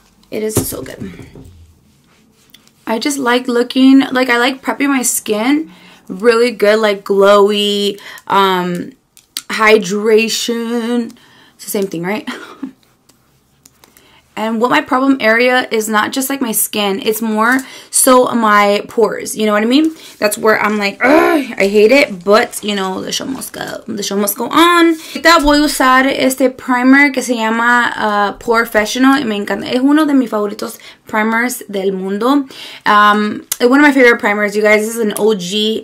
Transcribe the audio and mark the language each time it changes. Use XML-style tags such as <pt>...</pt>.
<en>It is so good. I just like looking, like I like prepping my skin really good, like glowy, hydration. It's the same thing, right? And what my problem area is not just like my skin, it's more so my pores. You know what I mean? That's where I'm like, I hate it, but you know, the show must go on.</en> <es>Ahorita voy a usar este primer que se llama Porefessional. Me encanta. Es uno de mis favoritos primers del mundo.</es> <en>One of my favorite primers, you guys. This is an OG.</en>